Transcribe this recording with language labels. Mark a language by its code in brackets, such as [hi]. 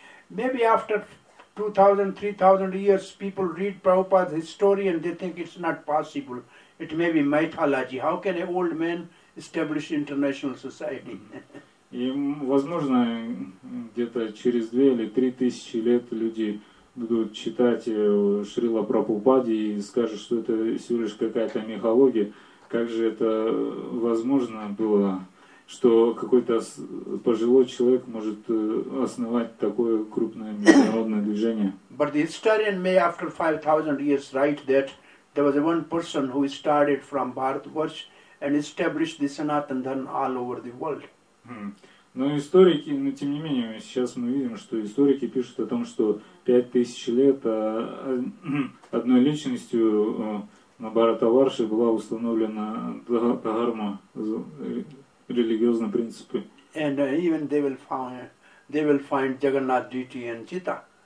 [en] Maybe after 2,000-3,000 years people read Prabhupada's history and they think it's not possible. It may be mythology. How can an old man establish international society? [ru] И, возможно, где-то через 2 или 3 тысячи лет люди будут читать Шрила Прабхупаде и скажут, что это всего лишь какая-то мифология. Как же это возможно было, что какой-то пожилой человек может основать такое крупное международное движение? [en] But the historian may after 5,000 years write that there was one person who started from Bharatvarsh and established the Sanatan Dharma all over the world. [ru] Но историки, но тем не менее, сейчас мы видим, что историки пишут о том, что 5000 лет одной личностью на Бхаратварше была установлена дхарма, религиозные принципы. [en] And even they will find Jagannath Diti and Chita.